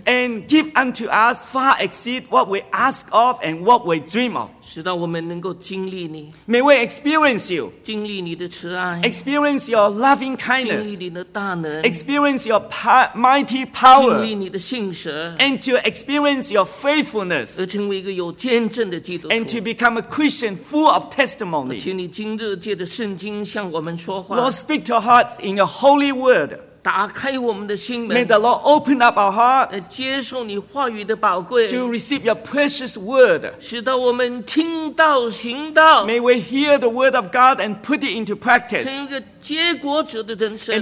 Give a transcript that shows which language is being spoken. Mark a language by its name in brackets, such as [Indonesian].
[English] And give unto us far exceed what we ask of and what we dream of [Chinese] 使到我们能够经历你 [English] May we experience you [Chinese] 经历你的慈爱 [English] Experience your loving kindness [Chinese] 经历你的大能 [English] Experience your mighty power [Chinese] 经历你的信实 [English] and to experience your faithfulness [Chinese] 而成为一个有见证的基督徒 [English] and to become a Christian full of testimony [Chinese] 请你今日借着圣经向我们说话 [English] Lord speak to our hearts in your holy word [Chinese] 打开我们的心门 [English] May the Lord open up our hearts [Chinese] 接受你话语的宝贵 [English] to receive your precious word [Chinese] 使到我们听到行道 [English] May we hear the word of God and put it into practice [Chinese] 成一个结果者的人生